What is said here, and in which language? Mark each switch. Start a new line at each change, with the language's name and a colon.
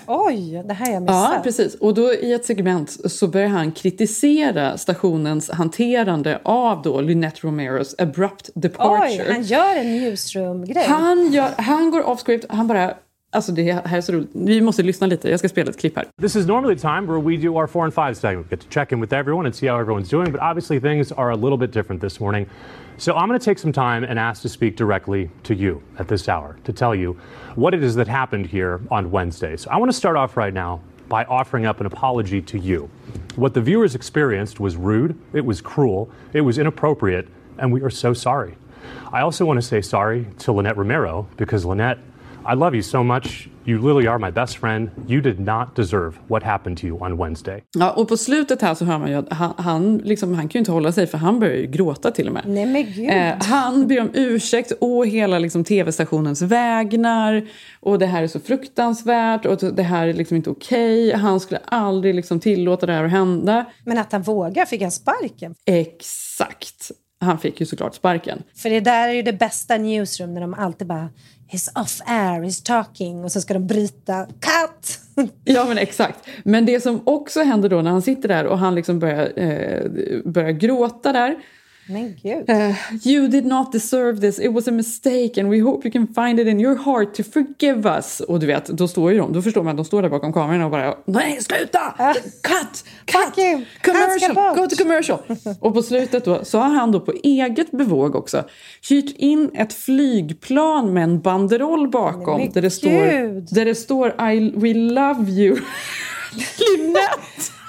Swedish: Oj, det här är missat. Ja, precis. Och då i ett segment så börjar han kritisera stationens hanterande av då Lynette Romeros
English: abrupt departure.
Swedish: Oj, han gör en newsroom-grej. Han går
English: off script,
Swedish: han bara... Alltså det här är så roligt. Vi måste lyssna lite. Jag ska spela ett klipp här.
English: This is normally time where we do our 4 and 5 segment. Get to check in with everyone and see how everyone's doing. But obviously things are a little bit different this morning. So I'm going to take some time and ask to speak directly to you at this hour to tell you what it is that happened here on Wednesday. So I want to start off right now by offering up an apology to you. What the viewers experienced was rude. It was cruel. It was inappropriate. And we are so sorry. I also want to say sorry to Lynette Romero because Lynette, I love you so much. You literally are my best friend. You did not deserve what happened to you on Wednesday.
Swedish: Ja, och på slutet här så hör man ju att han liksom, han kan ju inte hålla sig, för han börjar ju gråta till och med. Nej men gud. Han ber om ursäkt å hela liksom tv-stationens vägnar. Och det här är så fruktansvärt. Och det här är liksom inte okej. Okay. Han skulle aldrig liksom tillåta det här att hända. Men att han vågar, fick han sparken? Exakt. Han fick ju såklart sparken. För det där är ju det bästa newsroom, när de alltid bara...
English: He's off air, he's talking.
Swedish: Och så ska de bryta.
English: Cut!
Swedish: Ja, men exakt. Men det som också händer då när han sitter där och han liksom börjar gråta där. Men gud.
English: You did not deserve this. It was a mistake and we hope you can find it in your heart to forgive us.
Swedish: Och du vet, då står ju de. Då förstår man att de står där bakom kameran och bara... Nej, sluta!
English: Cut! Cut! Commercial! Go to commercial!
Swedish: Och på slutet då, så har han då på eget bevåg också hyrt in ett flygplan med en banderoll bakom. Där det står,
English: we love you,
Swedish: Lynette!